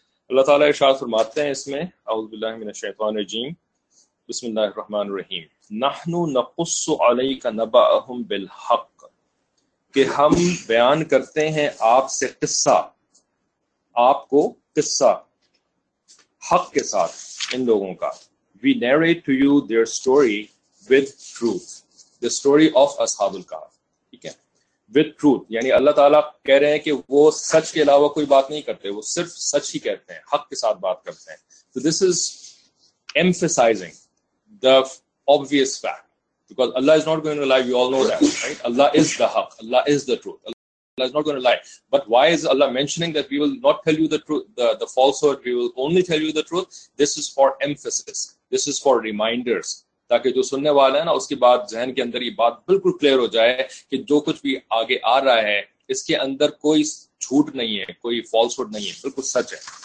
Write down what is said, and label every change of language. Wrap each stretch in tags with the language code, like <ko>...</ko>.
<ur>اللہ تعالیٰ ارشاد فرماتے ہیں اس میں,</ur> <ar>اعوذ باللہ من الشیطان الرجیم,</ar> <ur>بسم اللہ الرحمن الرحیم,</ur> <ar>نحنو نقص علیک نبأهم بالحق,</ar> <ur>کہ ہم بیان کرتے ہیں آپ سے قصہ, آپ کو قصہ حق کے ساتھ ان لوگوں کا,</ur> <en>we narrate to you their story with truth, the story of</en> <ur>اصحاب الکہف. ٹھیک ہے,</ur> <en>with truth,</en> <ur>یعنی اللہ تعالیٰ کہہ رہے ہیں کہ وہ سچ کے علاوہ کوئی بات نہیں کرتے, وہ صرف سچ ہی کہتے ہیں, حق کے ساتھ بات کرتے ہیں.</ur> <en>تو this is emphasizing the obvious fact, because Allah is not going to lie, we all know that, right? Allah is the حق, Allah is the truth, Allah is not going to lie. But why is Allah mentioning that we will not tell you the truth, the falsehood, we will only tell you the truth? This is for emphasis, this is for reminders,</en> <ur>تاکہ جو سننے والا ہے نا اس کے بعد ذہن کے اندر یہ بات بالکل کلیئر ہو جائے کہ جو کچھ بھی آگے آ رہا ہے اس کے اندر کوئی جھوٹ نہیں ہے, کوئی فالس ہوڈ نہیں ہے, بالکل سچ ہے.</ur>